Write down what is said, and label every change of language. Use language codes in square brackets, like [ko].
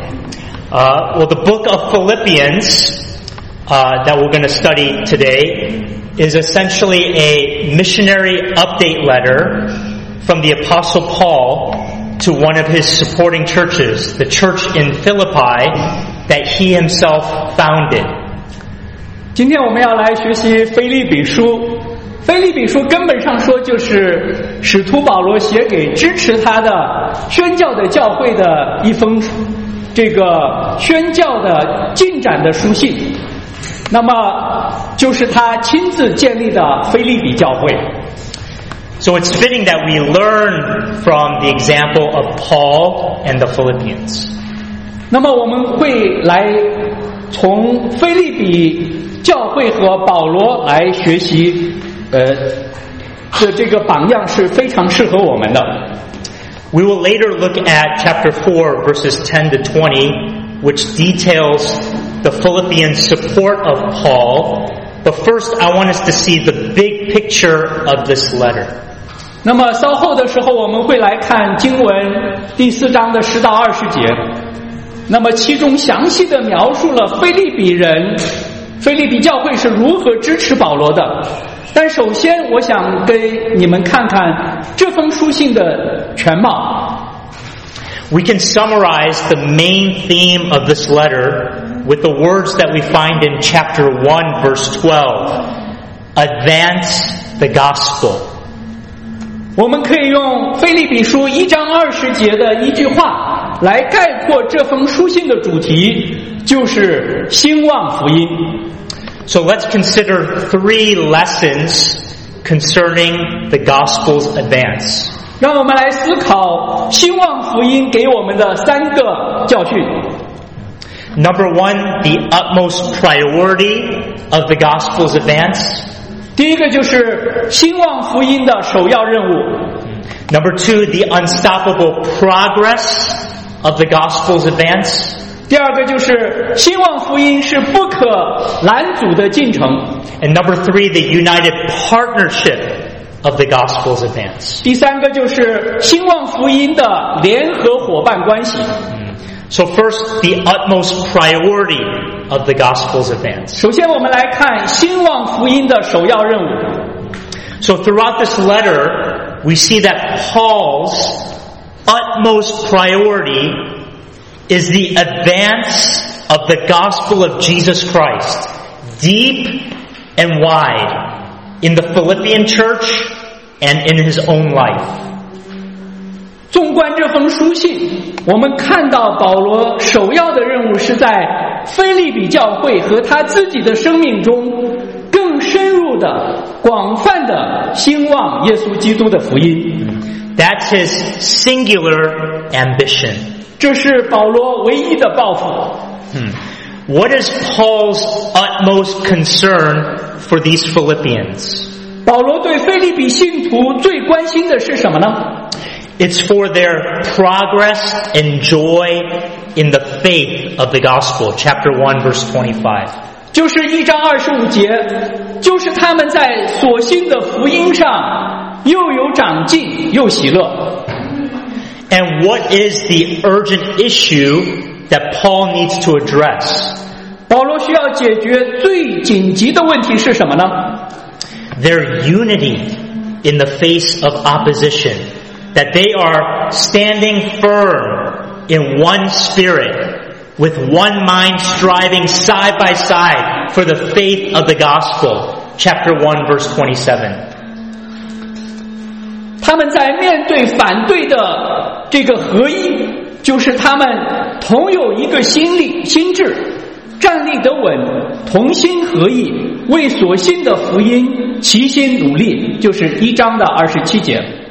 [en] The Book of Philippians that we're going to study today is essentially a missionary update letter from the Apostle Paul to one of his supporting churches, the church in Philippi that he himself founded. [zh] 今天我们要来学习腓立比书。腓立比书根本上说就是使徒保罗写给支持他的宣教的教会的一封这个宣教的进展的书信。那么就是他亲自建立的腓立比教会。 [en] So it's fitting that we learn from the example of Paul and the Philippians. [zh] 那么我们会来从腓立比教会和保罗来学习的这个榜样是非常适合我们的。 [en] We will later look at chapter 4 verses 10 to 20, which details the Philippian support of Paul. But first, I want us to see the big picture of this letter. [zh] 那么稍后的时候我们会来看经文第四章的十到二十节，那么其中详细的描述了腓立比教会是如何支持保罗的。但首先我想给你们看看这封书信的全貌。 [en] We can summarize the main theme of this letter with the words that we find in chapter 1 verse 12, advance the gospel. [zh] 我们可以用腓立比书一章二十节的一句话来概括这封书信的主题，就是兴旺福音。 [en] So let's consider three lessons concerning the gospel's advance. [zh] 让我们来思考兴旺福音给我们的三个教训。 [en] Number one, the utmost priority of the gospel's advance. [zh] 第一个就是兴旺福音的首要任务。 [en] Number two, the unstoppable progress of the gospel's advance. [zh] 第二个就是兴旺福音是不可拦阻的进程。 [en] And number three, the united partnership of the gospel's advance. [zh] 第三个就是兴旺福音的联合伙伴关系。 [en] So first, the utmost priority of the gospel's advance. [zh] 首先我们来看兴旺福音的首要任务。 [en] So throughout this letter, we see that Paul's utmost priority is the advance of the gospel of Jesus Christ, deep and wide, in the Philippian church and in his own life. [zh] 纵观这封书信，我们看到保罗首要的任务是在腓立比教会和他自己的生命中更深入的、广泛的兴旺耶稣基督的福音。 [en] That's his singular ambition. [zh] 这是保罗唯一的抱负。 [en] What is Paul's utmost concern for these Philippians? [zh] 保罗对腓立比信徒最关心的是什么呢？ [en] It's for their progress and joy in the faith of the gospel. Chapter 1, verse 25. [zh] 就是一章二十五节，就是他们在所信的福音上又有长进又喜乐。 [en] And what is the urgent issue that Paul needs to address? [zh] 保罗需要解决最紧急的问题是什么呢？ [en] Their unity in the face of opposition. That they are standing firm in one spirit, with one mind striving side by side for the faith of the gospel. Chapter 1, verse 27. [zh] 他们在面对反对的这个合一，就是他们同有一个心力、心智，站立得稳，同心合意，为所信的福音齐心努力，就是一章的二十七节。